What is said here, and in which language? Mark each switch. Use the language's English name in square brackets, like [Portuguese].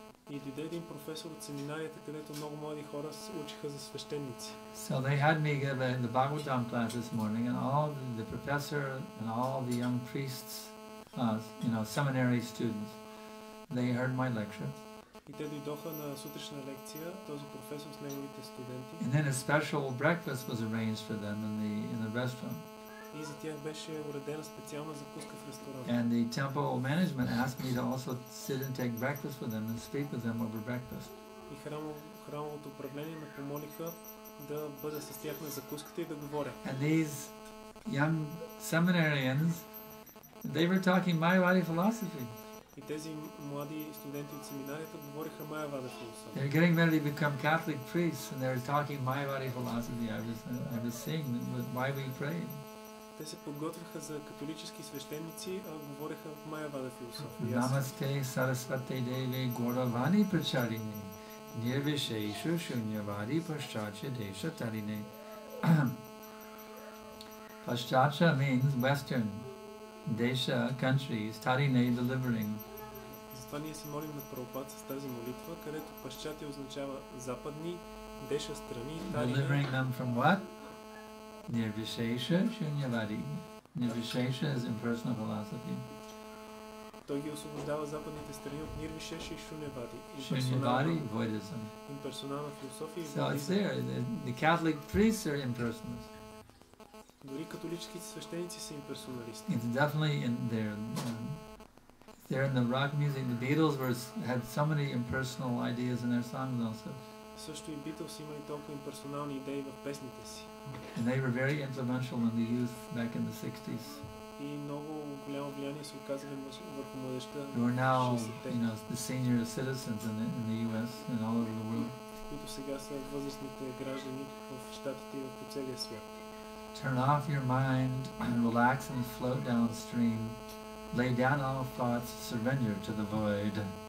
[Bulgarian] И дойде един професор от семинарията, където много млади хора учиха за свещеници. [English] So they had me give the Bhagavatam class this morning, and all the professor and all the young priests, seminary students, they heard my lecture. [Bulgarian] И те дойдоха на сутрешна лекция, този професор с неговите студенти. [English] And then a special breakfast was arranged for them in the restaurant. [Bulgarian] И за тях беше уредена специална закуска в ресторанта. [English] And the temple management asked me to also sit and take breakfast with them and speak with them over breakfast. [Bulgarian] И храмовото управление ме помолиха да бъда с тях на закуската и да говоря. [English] And these young seminarians, they were talking Mayavadi philosophy. [Bulgarian] И тези млади студенти от семинарията говориха Mayavada [English] philosophy. They're getting ready to become Catholic priests and they're talking Mayavadi philosophy. I was saying why we pray. [Bulgarian] Те се подготвяха за католически свещеници, а говориха в Mayavada [English] philosophy. [Sanskrit] Намасте, Сарасвате Деве, Горавани Прачарине, Нирвишейшу, Шуньявади, Пашчача, Деша Тарине. [English] Пашчача means Western. Desha, countries, Tarine, delivering. [Bulgarian] Затова ние се молим на Прабхупад с тази молитва, където Пашчати означава западни, Деша страни, Тарине. [English] Delivering them from what? Nirvishesha Shunyavadi. Nirvishesha is impersonal philosophy. [Bulgarian] Той ги освобождава западните страни от Nirvishesha и Shunyavadi. [English] Shunyavadi, voidism. [Bulgarian] Имперсонална философия. [English] So it's there. The Catholic priests are impersonals. [Bulgarian] Дори католическите свещеници са имперсоналисти. [English] It's definitely in there. There in the rock music, the Beatles had so many impersonal ideas in their songs also. [Bulgarian] Също и Beatles имали толкова имперсонални идеи в песните си. [English] And they were very influential in the youth back in the 60s. [Bulgarian] И много голямо влияние се оказали върху младежта. [English] Who are now, the senior citizens in the US and all over the world. [Bulgarian] Които сега са възрастните граждани в щатите и по целия свят. [English] Turn off your mind and relax and float downstream. Lay down all thoughts, surrender to the void.